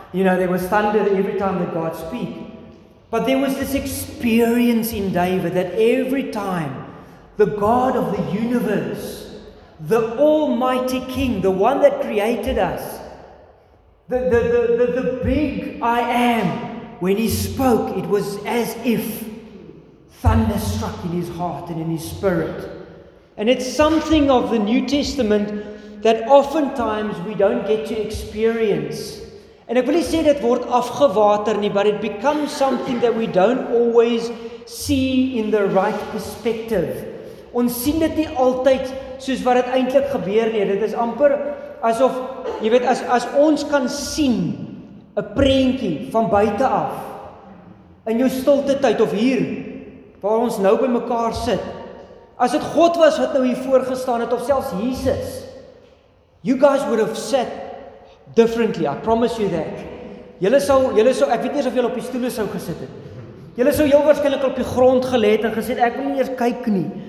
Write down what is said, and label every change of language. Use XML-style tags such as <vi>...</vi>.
<en>You know, there was thunder every time that God spoke. But there was this experience in David that every time the God of the universe, the Almighty King, the one that created us, the big I Am, when he spoke, it was as if thunder struck in his heart and in his spirit. And it's something of the New Testament that oftentimes we don't get to experience. And</en> <af>ek wil nie sê dit word afgewater nie,</af> <en>but it becomes something that we don't always see in the right perspective.</en> <af>Ons sien dit nie altyd soos wat dit eintlik gebeur nie. Dit is amper asof, jy weet, as ons kan sien 'n prentjie van buite af in jou stilte tyd of hier waar ons nou by mekaar sit. As dit God was wat nou hier voorgestaan het, of selfs Jesus,</af> <en>you guys would have sat differently, I promise you that.</en> <af>Julle sou, ek weet nie of julle op die stoele sou gesit het. Julle sou heel waarskynlik op die grond gelê het en gesê, ek wil nie eers kyk nie.</af>